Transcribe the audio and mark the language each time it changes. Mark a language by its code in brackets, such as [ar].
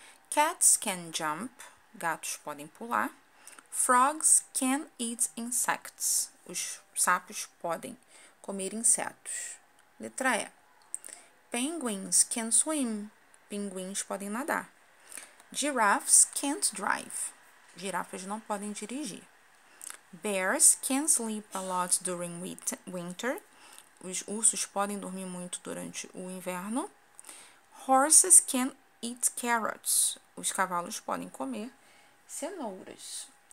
[en] Cats can jump. [pt] Gatos podem pular. [en] Frogs can eat insects. [pt] Os sapos podem comer insetos. Letra E. [en] Penguins can swim. [pt] Pinguins podem nadar. [en] Giraffes can't drive. [pt] Girafas não podem dirigir. [en] Bears can sleep a lot during winter. [pt] Os ursos podem dormir muito durante o inverno. [en] Horses can eat carrots. [pt] Os cavalos podem comer cenouras.